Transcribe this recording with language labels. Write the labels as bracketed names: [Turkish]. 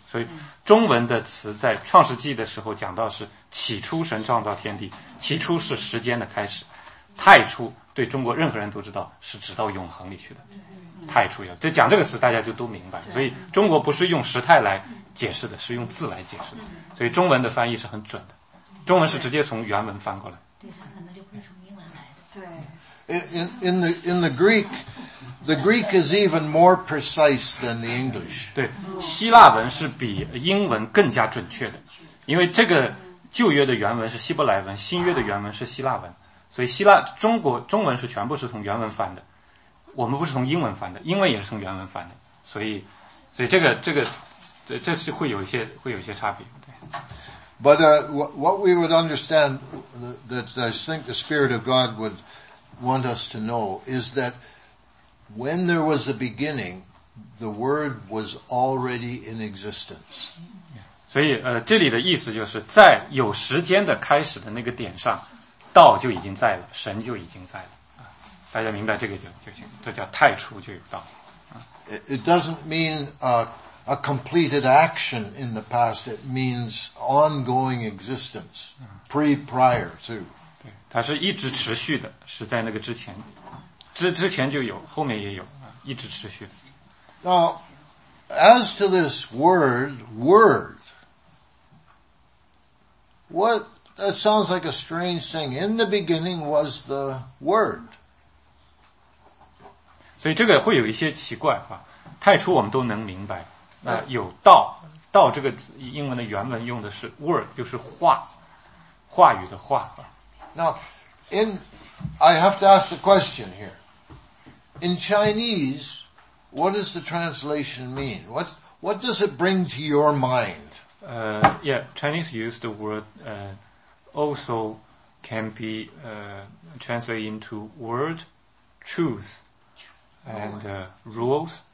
[Chinese] 所以中文的词在创世纪的时候讲到是起初神创造天地，起初是时间的开始，太初对中国任何人都知道是直到永恒里去的太初要就讲这个词大家就都明白所以中国不是用时态来解释的是用字来解释的所以中文的翻译是很准的中文是直接从原文翻过来对它可能就不是从英文来的 [English] 对 in the Greek the Greek is even more precise than the English [Chinese] 对希腊文是比英文更加准确的因为这个旧约的原文是希伯来文新约的原文是希腊文所以希腊中国中文是全部是从原文翻的我们不是从英文翻的英文也是从原文翻的所以这是会有一些差别对 [English] But what we would understand that I think the Spirit of God would want us to know is that when there was a beginning the word was already in existence [Chinese] 所以这里的意思就是在有时间的开始的那个点上道就已经在了，神就已经在了，大家明白这个就行，这叫太初就有道。 [English] It doesn't mean a completed action in the past. It means ongoing existence, prior to. [Chinese] 它是一直持续的，是在那个之前，之前就有，后面也有，一直持续的。 [English] Now, as to this word, what? That sounds like a strange thing. In the beginning was the word. [Chinese] 所以这个会有一些奇怪啊。太初我们都能明白。有道。道这个英文的原文用的是 word, 就是话。话语的话。 [English] Now, in, I have to ask the question here. In Chinese, what does the translation mean? What does it bring to your mind? Chinese use the word, also can be, translated into word, truth, and, rules.